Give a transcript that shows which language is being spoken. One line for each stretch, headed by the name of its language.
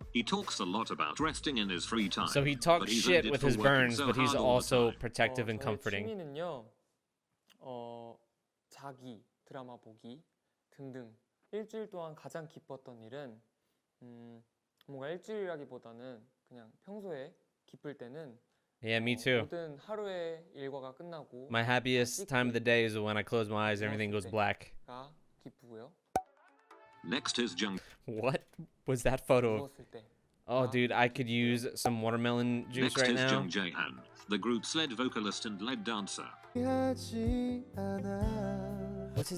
English: He talks a lot about resting in his free time. So he talks shit with his burns, but he's also protective and comforting.
Korean: 취미는요, 자기 드라마 보기 등등 일주일 동안 가장 기뻤던 일은 뭔가 일주일이라기보다는 그냥 평소에 기쁠 때는
English: Yeah, me too.
Korean: 모든 하루의 일과가 끝나고
English: My happiest time of the day is when I close my eyes, everything goes black.
Korean: 아, 기쁘고요.
English: Next is Jung. What was that photo? Oh, dude, I could use some watermelon juice Next right now. Next is Jung Jae-han, the group's lead vocalist and lead dancer. What's his